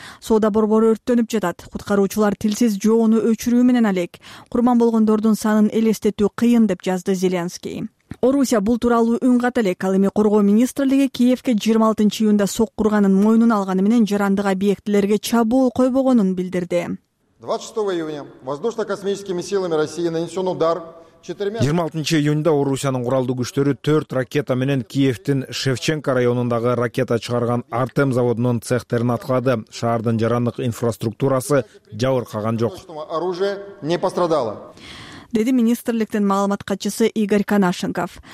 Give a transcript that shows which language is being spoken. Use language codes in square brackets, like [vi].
[ky] Соода борбору өрттөнүп жатат. Куткаруучулар тилсиз жоону өчүрүү менен алек. Курман болгондордун санын элестетүү кыйын, деп жазды Зеленский. Орусия бул тууралуу үн ката элек. Ал эми коргоо министрлиги Киевке 26 июнда сок курганын мойнуна алганы менен жарандык объектилерге чабуул койбогонун билдирди. [ru] 26 июня воздушно-космическими силами России нанесен удар. [ky] 26 июнда Орусиянын куралдуу күчтөрү 4 ракета менен Киевтин Шевченко районундагы ракета чыгарган Артем заводунун цехтерин аткылады. Шаардын жарандык инфраструктурасы жабыркаган жок. [ru] Оружие не пострадало. [ky] Деди министрликтин маалымат катчысы Игорь Канашенков.